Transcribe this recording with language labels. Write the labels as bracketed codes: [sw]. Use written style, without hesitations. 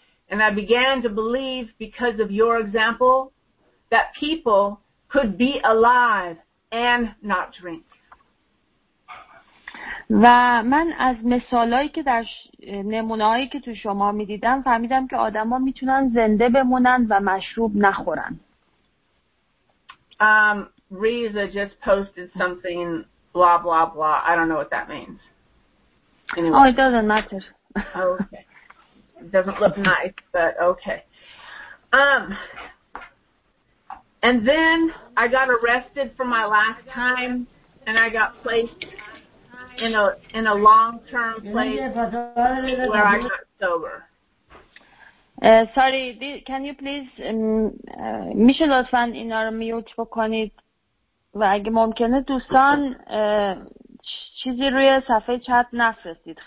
[en] And I began to believe because of your example that people could be alive and not drink. [fa] و من از مثالایی که در نمونه‌هایی که تو شما می‌دیدم فهمیدم که آدما میتونن زنده بمونن و مشروب نخورن. [en] Reza just posted something blah blah blah. I don't know what that means. Anyway. Oh, it doesn't matter. Okay. It doesn't look nice, but okay. And then I got arrested for my last time and I got placed in a long-term place where I got sober. Sorry, can you please [fa] میشه لطفاً اینا رو میوت بکنید و اگه ممکنه دوستان چیزی روی صفحه چت نفرستید.